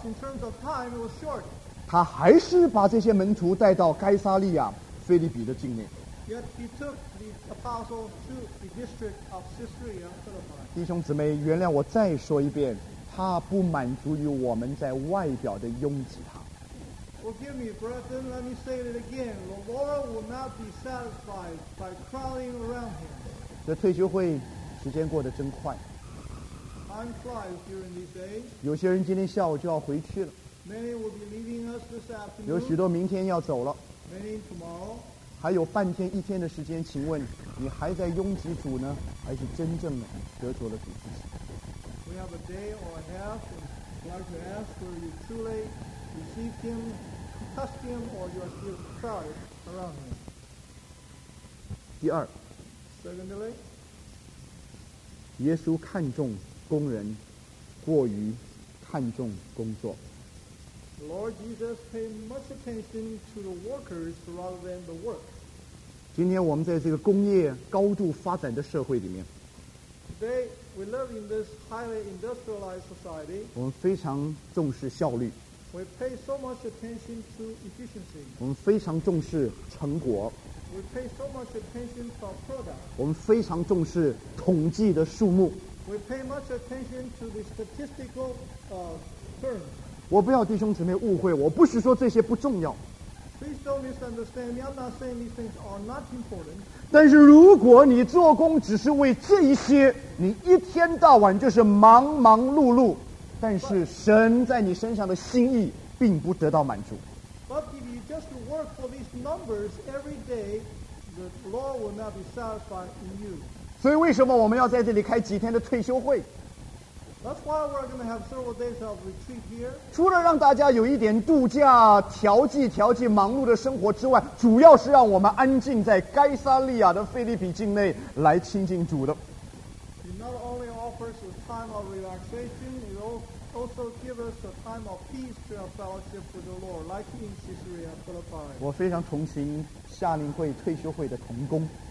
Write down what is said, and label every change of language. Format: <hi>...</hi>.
<en>In terms of time, it was short.</en> <zh>他还是把这些门徒带到该撒利亚腓立比的境内。</zh> <en>Yet he took the apostles to the district of Caesarea Philippi.</en> <zh>弟兄姊妹，原谅我再说一遍，他不满足于我们在外表的拥挤他。</zh> <en>Forgive me, brethren, let me say it again. The Lord will not be satisfied by crowding around him.</en> <zh>这退休会时间过得真快。</zh> <en>Time flies during these days.</en> <zh>有些人今天下午就要回去了。</zh> <en>Many will be leaving us this afternoon.</en> <zh>有许多明天要走了。</zh> <en>Many tomorrow.</en> <zh>还有半天一天的时间，请问你还在拥挤主呢，还是真正的得着了主自己？</zh> <en>We have a day or a half, and I'd like to ask, were you truly received him, trust him, or you are still crowded around him?</en> <zh>第二</zh> <en>Secondly,</en> <zh>耶稣看重工人过于看重工作。</zh> <en>The Lord Jesus paid much attention to the workers rather than the work.</en> <zh>今天我们在这个工业高度发展的社会里面，</zh> <en>Today, we live in this highly industrialized society.</en> <zh>我们非常重视效率。</zh> <en>We pay so much attention to efficiency.</en> <zh>我们非常重视成果。</zh> <en>We pay so much attention to our product.</en> <zh>我们非常重视统计的数目。</zh> <en>We pay much attention to the statistical terms.</en> <zh>我不要弟兄姊妹误会，我不是说这些不重要。</zh> <en>Please don't misunderstand me. I'm not saying these things are not important.</en> <zh>但是如果你做工只是为这一些，你一天到晚就是忙忙碌碌，但是神在你身上的心意并不得到满足。</zh> <en>But if you just work for these numbers every day, the Lord will not be satisfied in you.</en> <zh>所以为什么我们要在这里开几天的退休会？</zh> <en>That's why we're going to have several days of retreat here.</en> <zh>除了让大家有一点度假，调剂调剂忙碌的生活之外，主要是让我们安静在该撒利亚的腓立比境内来亲近主的。</zh> <en>It not only offers a time of relaxation, it also gives us a time of peace to our fellowship with the Lord, like in Caesarea Philippi.</en> <zh>我非常同情夏令会退休会的同工。</zh>